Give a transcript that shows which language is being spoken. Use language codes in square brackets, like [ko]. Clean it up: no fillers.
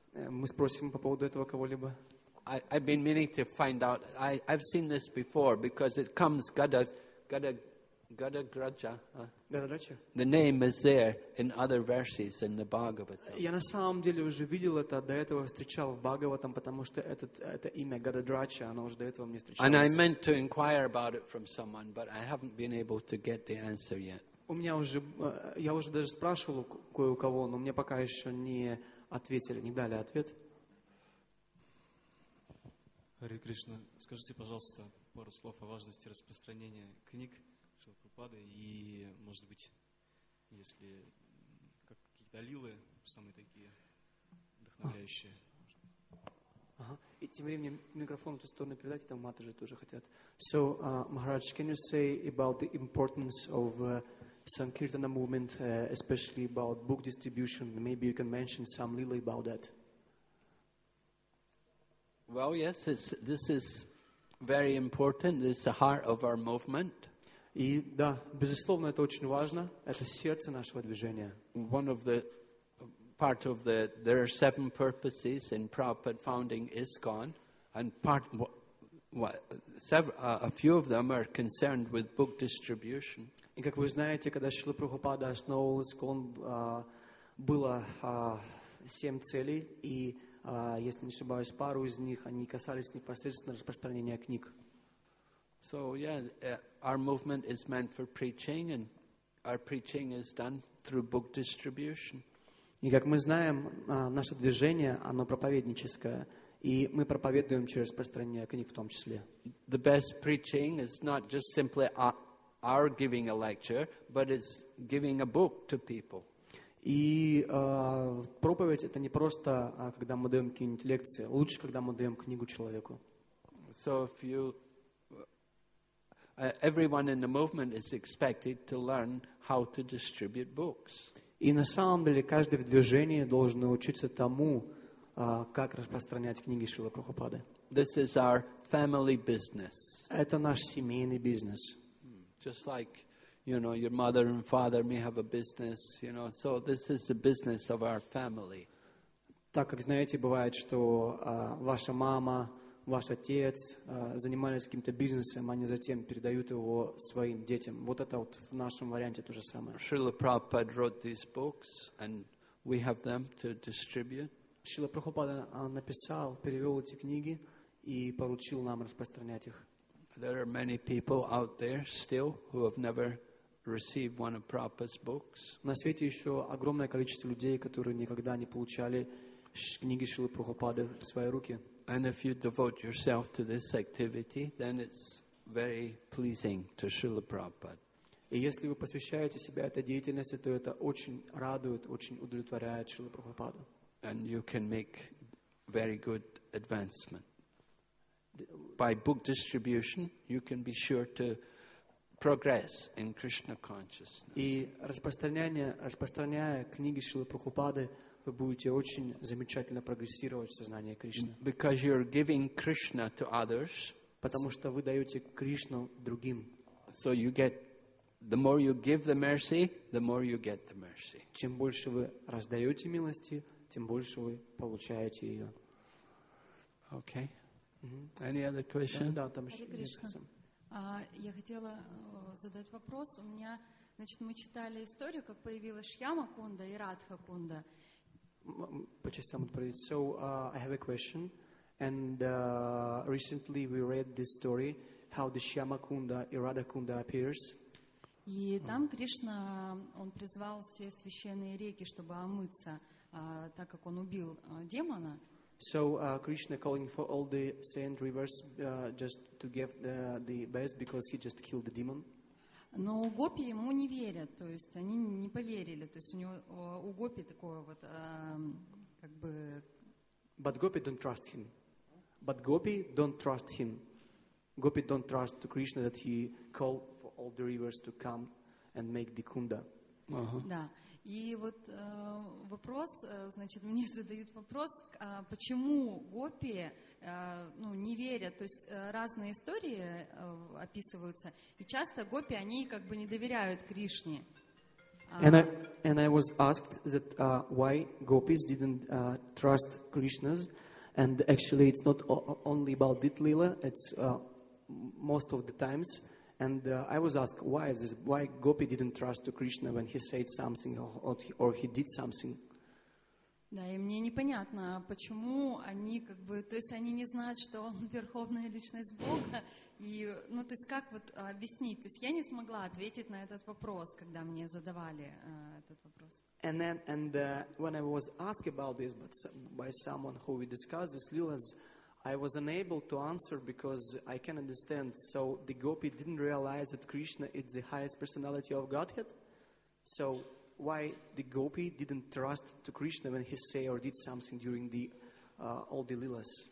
[ru] Мы спросим по поводу этого кого-либо. [en] I've been meaning to find out. I've seen this before because it comes Gada Graja. Gada Graja. The name is there in other verses in the Bhagavatam. [ru] Я на самом деле уже видел это, до этого встречал в Бхагаватам, потому что это имя Gada Graja, оно уже до этого мне встречалось. [en] And I meant to inquire about it from someone, but I haven't been able to get the answer yet. [ru] У меня уже, я уже даже спрашивал кое-кого, но мне пока еще не ответили, не дали ответ. Харе Кришна, скажите, пожалуйста, пару слов о важности распространения книг Шилпрупады и, может быть, если какие-то лилы, самые такие вдохновляющие. И тем временем микрофон в ту сторону передать, там матаджи тоже хотят. [en] So, Maharaj, can you say about the importance of Sankirtana movement, especially about book distribution. Maybe you can mention some little about that. Well, yes, this is very important. It's the heart of our movement. [ru] И да, безусловно, это очень важно. Это сердце нашего движения. [en] One of the part of the there are seven purposes in Prabhupada founding ISKCON, and part a few of them are concerned with book distribution. [ru] И как вы знаете, когда Шрила Прабхупада основал ИСККОН, было семь целей, и, если не ошибаюсь, пару из них, они касались непосредственно распространения книг. [en] So, yeah, our movement is meant for preaching, and our preaching is done through book distribution. [ru] И как мы знаем, наше движение, оно проповедническое, и мы проповедуем через распространение книг в том числе. [en] The best preaching is not just simply are giving a lecture, but it's giving a book to people. [ru] И проповедь это не просто, когда мы даем какие-нибудь лекции. Лучше, когда мы даем книгу человеку. [en] So if you, everyone in the movement is expected to learn how to distribute books. [ru] И на самом деле каждый в движении должен научиться тому, как распространять книги Шрилы Прабхупады. [en] This is our family business. [ru] Это наш семейный бизнес. [en] Just like, you know, your mother and father may have a business, you know. So this is the business of our family. [ru] Так как знаете, бывает, что ваша мама, ваш отец занимались каким-то бизнесом, они затем передают его своим детям. Вот это вот в нашем варианте то же самое. [en] Srila Prabhupada wrote these books, and we have them to distribute. [ru] Srila Prabhupada написал, перевел эти книги и поручил нам распространять их. [en] There are many people out there still who have never receive one of Prabhupada's books. [ru] На свете еще огромное количество людей, которые никогда не получали книги Шрилы Прабхупады в свои руки. [en] And if you devote yourself to this activity, then it's very pleasing to Srila Prabhupada. [ru] И если вы посвящаете себя этой деятельности, то это очень радует, очень удовлетворяет Шрилу Прабхупаду. [en] And you can make very good advancement. By book distribution, you can be sure to progress in Krishna consciousness. [ru] И распространяя книги Шрилы Прабхупады, вы будете очень замечательно прогрессировать в сознании Кришны. [en] Because you're giving Krishna to others. [ru] Потому что вы даете Кришну другим. [en] So you get the more you give the mercy, the more you get the mercy. [ru] Чем больше вы раздаете милости, тем больше вы получаете ее. [en] Okay. Any other question? [ru] Да, там еще Кришна. Я хотела задать вопрос. У меня, значит, мы читали историю, как появилась Шьяма Кунда и Радха Кунда. По частям отправить. [en] So I have a question. And recently we read this story, how the Shyama Kunda, Radha Kunda appears. [ru] И там Кришна, он призвал все священные реки, чтобы омыться, так как он убил демона. [en] So Krishna calling for all the sand rivers just to give the bath because he just killed the demon. [ru] Но гопи ему не верят, то есть они не поверили, то есть у него у гопи такое вот как бы. [en] But gopi don't trust him. But gopi don't trust him. Gopi don't trust to Krishna that he called for all the rivers to come and make the kunda. [ru] Да. И вот вопрос, значит, мне задают вопрос, почему гопи ну, не верят, то есть разные истории описываются, и часто гопи, они как бы не доверяют Кришне. [en] And I was asked that why gopis didn't trust Krishna's, and actually it's not only about Dit Lila, it's most of the times. And I was asked why is this, why Gopi didn't trust to Krishna when he said something or he did something. [ru] Да, и мне непонятно, почему они как бы, то есть они не знают, что он верховная личность Бога, и, ну, то есть как вот объяснить, то есть я не смогла ответить на этот вопрос, когда мне задавали этот вопрос. [en] And then, and when I was asked about this, but by someone who we discussed this, Lila's. I was unable to answer because I can't understand. So the gopi didn't realize that Krishna is the highest personality of Godhead. So why the gopi didn't trust to Krishna when he say or did something during the all the lilas?